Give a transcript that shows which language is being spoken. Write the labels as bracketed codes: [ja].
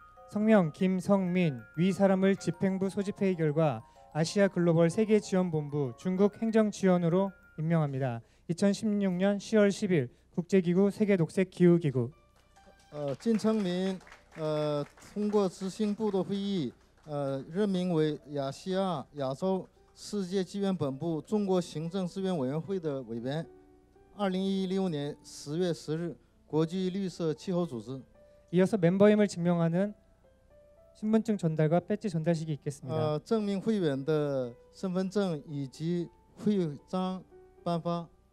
[ko] 성명 김성민 위 사람을 집행부 소집회의 결과 아시아 글로벌 세계 지원 본부 중국 행정 지원으로 임명합니다. 2016년 10월 10일 국제기구 세계녹색기후기구 [zh] 진창민 通过执行部的会议任命为亚细亚亚洲世界资源本部中国行政资源委员会的委员 [ko] 2016년 10월 10일 [zh] 国际绿色气候组织 [ko] 이어서 멤버임을 증명하는 신분증 전달과 배지 전달식이 있겠습니다. 증명회원의 [zh] 身份证以及徽章颁发